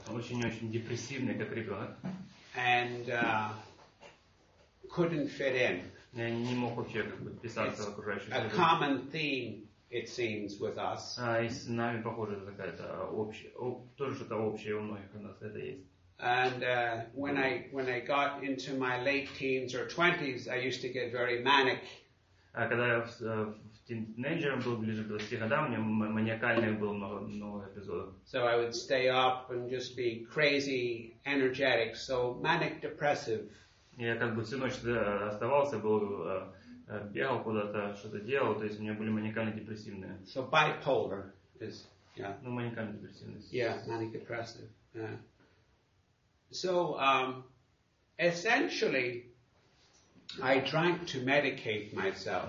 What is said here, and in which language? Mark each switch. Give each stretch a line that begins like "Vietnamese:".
Russian: Очень-очень депрессивный как ребенок.
English: And couldn't fit in.
Russian: Я не мог вообще как бы вписаться в окружающую среду.
English: A common theme, it seems, with us.
Russian: И с нами похоже какая-то общая, тоже что-то общее у многих у нас это есть.
English: And when I got into my late teens or 20s, I used to get very manic.
Russian: А когда я в тинейджером был ближе к 20 годам, у меня маниакальных было много эпизодов.
English: So I would stay up and just be crazy, energetic, so manic depressive.
Russian: Я как бы всю ночь оставался, был бегал куда-то, что-то делал, то есть у меня были маниакально депрессивные.
English: So bipolar is yeah.
Russian: Ну маниакально депрессивные.
English: Yeah, manic depressive. Yeah. So essentially I drank to medicate myself.